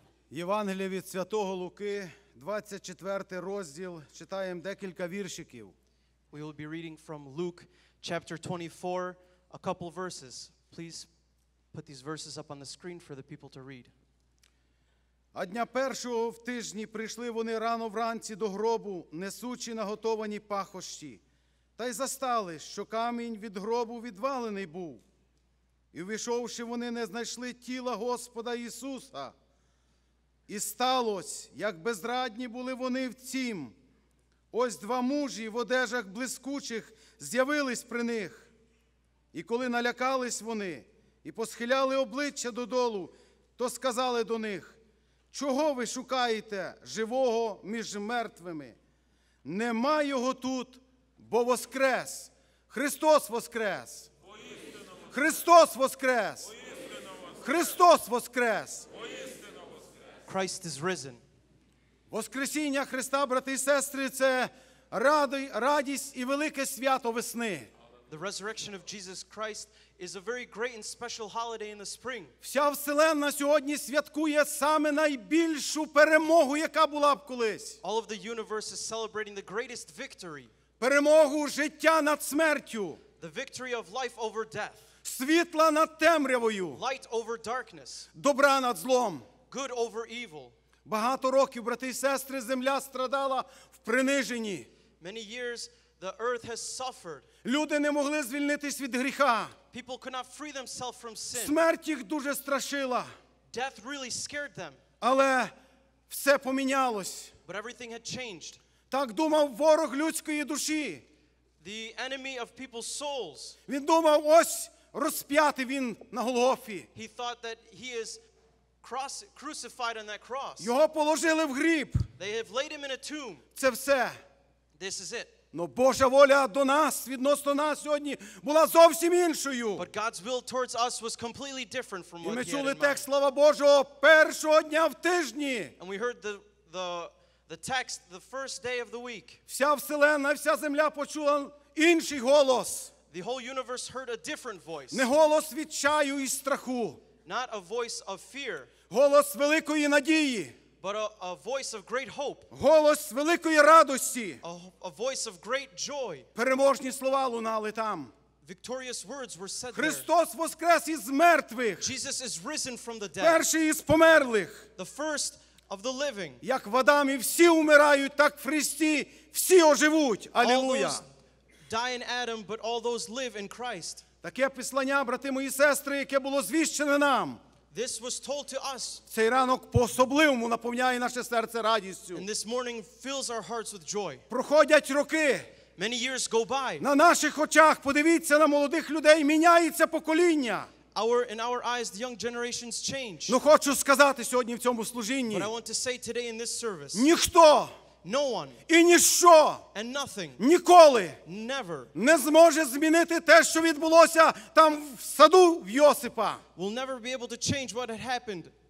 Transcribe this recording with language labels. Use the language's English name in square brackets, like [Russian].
[Ukrainian] Євангеліє від Святого Луки, 24 розділ, читаємо декілька віршиків. [English] We will be reading from Luke, chapter 24, a couple verses. Please put these verses up on the screen for the people to read. [Ukrainian] А дня першого в тижні прийшли вони рано вранці до гробу, несучи наготовані пахощі. Та й застали, що камінь від гробу відвалений був. І увійшовши вони, не знайшли тіла Господа Ісуса. І сталося, як безрадні були вони в цім. Ось два мужі в одежах блискучих з'явились при них. І коли налякались вони і посхиляли обличчя додолу, то сказали до них, Чого ви шукаєте живого між мертвими? Нема його тут, бо воскрес! Христос воскрес! Христос воскрес! Христос воскрес! [English] Christ is risen. [Ukrainian] Воскресіння Христа, брати і сестри, це радість і велике свято весни. [English] The resurrection of Jesus Christ is a very great and special holiday in the spring. [Ukrainian] Вся вселенна сьогодні святкує саме найбільшу перемогу, яка була б колись. [English] All of the universe is celebrating the greatest victory. [Ukrainian] Перемогу життя над смертю. [English] The victory of life over death. [Ukrainian] Світла над темрявою. [English] Light over darkness. [Ukrainian] Добра над злом. [English] Good over evil. [Ukrainian] Багато років, брати і сестри, земля страдала в приниженні. [English] Many years the earth has suffered. [Ukrainian] Люди не могли звільнитись від гріха. [English] People could not free themselves from sin. [Ukrainian] Смерть їх дуже страшила. [English] Death really scared them. [Ukrainian] Але все помінялось. [English] But everything had changed. [Ukrainian] Так думав ворог людської душі. [English] The enemy of people's souls. [Ukrainian] Він думав, ось розп'ятий він на Голгофі. [English] He thought that he is crucified on that cross. [Ukrainian] Його положили в гріб. [English] They have laid him in a tomb. [Ukrainian] Це все. [English] This is it. [Ukrainian] Но Божа воля до нас, відносно нас сьогодні, була зовсім іншою. [English] But God's will towards us was completely different from what he had in mind. [Ukrainian] І ми чули текст слава Божого першого дня в тижні. [English] And we heard the text the first day of the week. [Ukrainian] Вся вселенна, вся земля почула інший голос. [English] The whole universe heard a different voice. [Ukrainian] Не голос відчаю і страху. [English] Not a voice of fear. [Ukrainian] Голос великої надії. [English] But a voice of great hope. [Ukrainian] Голос великої радості. [English] A voice of great joy. [Ukrainian] Переможні слова лунали там. [English] Victorious words were said there. [Ukrainian] Христос воскрес із мертвих. [English] Jesus is risen from the dead. [Ukrainian] Перший із померлих. [English] The first of the living. [Ukrainian] Як в Адамі всі умирають, так в Христі всі оживуть. Алілуя. [English] All those die in Adam, but all those live in Christ. [Ukrainian] Таке послання, брати мої сестри, яке було звіщене нам. [English] This was told to us. [Ukrainian] Цей ранок по-особливому наповняє наше серце радістю. [English] And this morning fills our hearts with joy. [Ukrainian] Проходять роки. [English] Many years go by. [Ukrainian] На наших очах, подивіться на молодих людей, міняється покоління. [English] In our eyes, the young generations change. [Ukrainian] Ну хочу сказати сьогодні в цьому служінні. [English] But I want to say today in this service. [Ukrainian] Ніхто. [English] No one. [Ukrainian] І ніщо. [English] And nothing. [Ukrainian] Ніколи. [English] Never. [Ukrainian] Не зможе змінити те, що відбулося там в саду в Йосипа. [English] Will never be able to change what had happened.